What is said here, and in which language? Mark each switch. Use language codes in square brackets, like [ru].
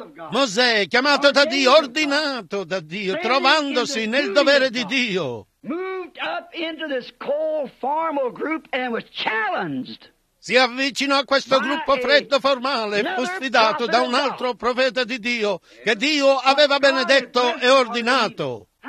[it] Mosè chiamato da Dio, ordinato da Dio, trovandosi nel dovere di Dio, [en] moved up into this cold formal group and was challenged. [it] Si avvicinò a questo gruppo freddo formale e fu sfidato da un altro profeta di Dio che Dio aveva benedetto e ordinato.